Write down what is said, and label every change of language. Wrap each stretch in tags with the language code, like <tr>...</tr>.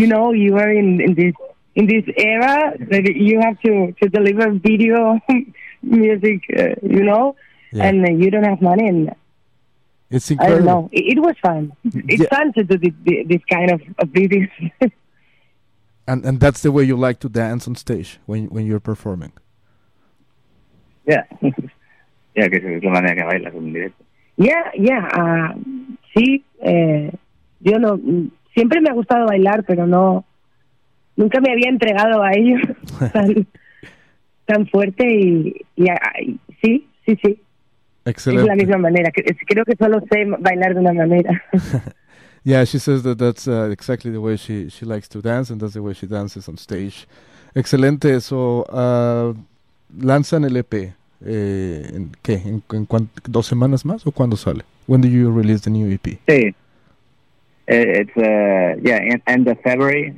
<en>you know, you are in this era, maybe you have to deliver video music, you know, yeah. And you don't have money. And it's incredible. I don't know. It was fun. It's fun to do this kind of videos. and that's the way you like to dance on stage when you're performing. Yeah.</en> <es>Yeah, que es la manera que bailas en directo.</es> <en>Yeah, yeah.</en> <es>Sí. Yo no. Siempre me ha gustado bailar, pero no. Nunca me había entregado a ellos tan fuerte y sí, Sí.</es> <en>Excellent.</en> <es>Es la misma manera. Creo que solo sé bailar de una manera.</es> <en>Yeah, she says that that's exactly the way she likes to dance, and that's the way she dances on stage.</en> <es>Excelente. So, lanzan el EP. ¿En qué? ¿En cuánto, 2 semanas más o cuándo sale?</es> <en>When do you release the new EP? Sí. It's end of February.</en>